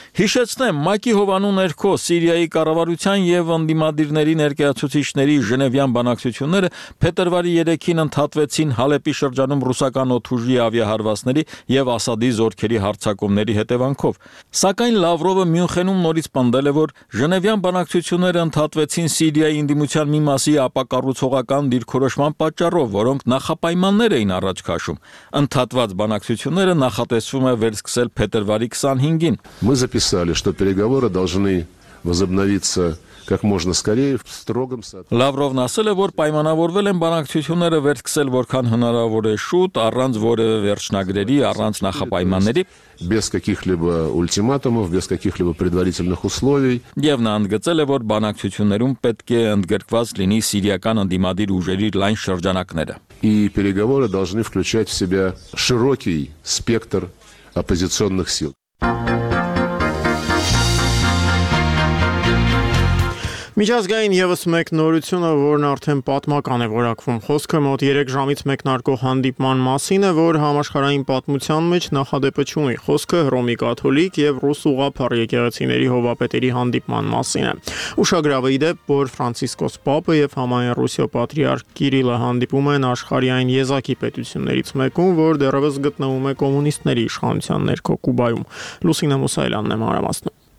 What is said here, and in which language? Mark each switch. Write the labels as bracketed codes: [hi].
[hy] Հիշեցնեմ, Մակի Հովանու ներքո Սիրիայի կառավարության եւ ընդդիմադիրների ներկայացուցիչների Ժնևյան բանակցությունները փետրվարի 3-ին ընդհատվեցին Հալեպի շրջանում ռուսական օդուժի ավիահարվածների եւ ասադի զորքերի հարձակումների հետևանքով։ Սակայն Լավրովը Մյունխենում նորից պնդել է, որ Ժնևյան բանակցությունները ընդհատվեցին Սիրիայի ընդդիմության մի մասի ապակառուցողական դիրքորոշման պատճառով, որոնք նախապայմաններ էին առաջ քաշում։ Ընդհատված բանակցությունները նախատեսվում է վերսկսել փետրվարի 25-ին։ [ru] Мы записали, что переговоры должны возобновиться как можно скорее в строгом соответствии. [hy] Лавров ասել է, որ պայմանավորվել են բանակցությունները վերցկսել որքան հնարավոր է շուտ, առանց որևէ վերջնագրերի, առանց նախապայմանների, [ru] без каких-либо ультиматумов, без каких-либо предварительных условий. [hy] Եվ նա ընդգծել է, որ բանակցություններում պետք է ընդգրկված լինի սիրիական ընդդիմադիր ուժերի լայն շրջանակները. [ru] И переговоры должны включать в себя широкий спектр оппозиционных сил. [hy] Միջազգային եւս մեկ նորությունը, որն արդեն պատմական է որակվում, խոսքը մոտ 3 ժամից մեկնարկող հանդիպման մասին է, որ համաշխարհային պատմության մեջ նախադեպը չունի։ Խոսքը Հռոմի Կաթոլիկ եւ Ռուս ուղափառ եկեղեցիների հովապետերի հանդիպման մասին է։ Ուշագրավը ի դեպ, որ Ֆրանցիսկոս Պապը եւ համայն Ռուսիո Պատրիարք Կիրիլը հանդիպում են աշխարհային եզակի պետություններից մեկում, որ դեռևս գտնվում է կոմունիստների իշխանության ներքո Կուբայում։ Լուսինե Մուսայելյանն է մասնակցում։